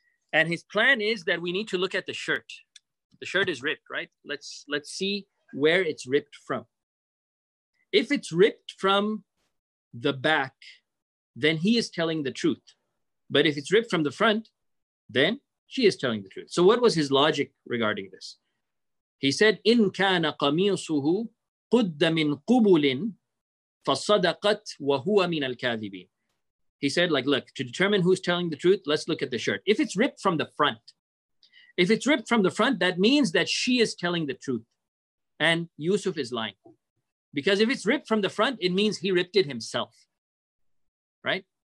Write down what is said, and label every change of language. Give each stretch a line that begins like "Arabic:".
English: And his plan is that we need to look at the shirt. The shirt is ripped, right? Let's see where it's ripped from. If it's ripped from the back, then he is telling the truth. But if it's ripped from the front, then She is telling the truth. So what was his logic regarding this? He said,
Arabic: إِنْ كَانَ قَمِيصُهُ قُدَّ مِنْ قُبُلٍ فَصَدَقَتْ وَهُوَ مِنَ الْكَاذِبِينَ.
English: He said, like, look, to determine who's telling the truth, let's look at the shirt. If it's ripped from the front, if it's ripped from the front, that means that she is telling the truth and Yusuf is lying. Because if it's ripped from the front, it means he ripped it himself, right?